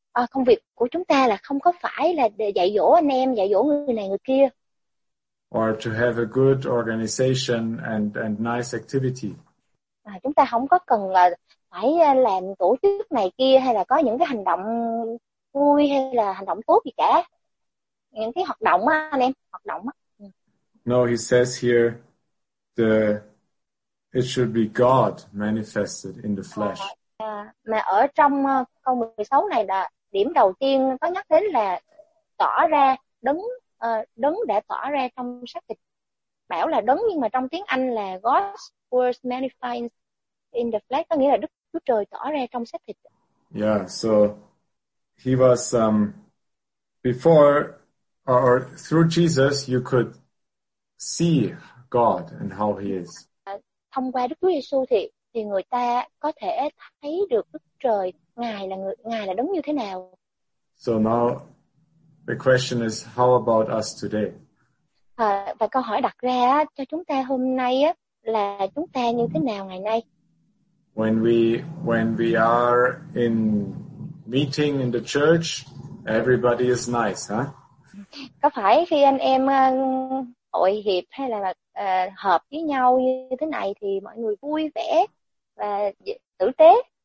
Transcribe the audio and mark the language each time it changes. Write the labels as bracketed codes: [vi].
[vi] Công việc của chúng ta là không có phải là dạy dỗ anh em, dạy dỗ người này người kia. [en] Or to have a good organization and nice activity. [vi] Chúng ta không có cần là phải làm tổ chức này kia hay là có những cái hành động vui hay là hành động tốt gì cả. Những cái hoạt động á anh em, hoạt động á. [en] No, he says here the it should be God manifested in the flesh. [vi] Mà ở trong câu 16 này là điểm đầu tiên có nhắc đến là tỏ ra đứng đứng để tỏ ra trong xác thịt. Bảo là đứng nhưng mà trong tiếng Anh là [en] God's words manifest in the flesh, [vi] có nghĩa là Đức Chúa Trời tỏ ra trong xác thịt. [en] Yeah, so he was before or through Jesus you could see God and how he is. [vi] Thông qua Đức Chúa Giêsu thì người ta có thể thấy được Đức Trời, ngài là đúng như thế nào. [en] So now the question is how about us today? [vi] Và câu hỏi đặt ra cho chúng ta hôm nay là chúng ta như thế nào ngày nay? [en] When we are in meeting in the church, everybody is nice, huh? [vi] Có phải khi anh em hội hiệp hay là hợp với nhau như thế này thì mọi người vui vẻ và tử tế?